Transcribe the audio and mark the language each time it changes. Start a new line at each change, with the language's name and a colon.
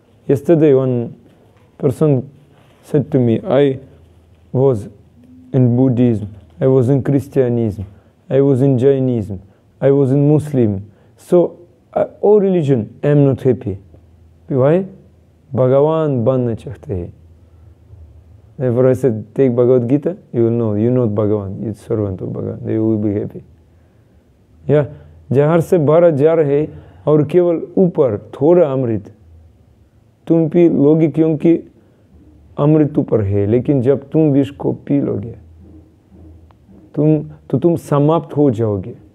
English: Yesterday one person said to me, I was in Buddhism, I was in Christianism, I was in Jainism, I was in Muslim, so O religion I am not happy. Y?
Hindi: भगवान बनना चाहते हैं।
English: Therefore I said, take Bhagavad Gita, you will know, you're not Bhagavan, you're servant of Bhagavan, they will be happy.
Hindi: Yeah, जहाँ से भारत जा रहे और केवल ऊपर थोड़ा अमृत तुम पी लोगे, क्योंकि अमृत ऊपर है, लेकिन जब तुम विष को पी लोगे तुम तो तुम समाप्त हो जाओगे।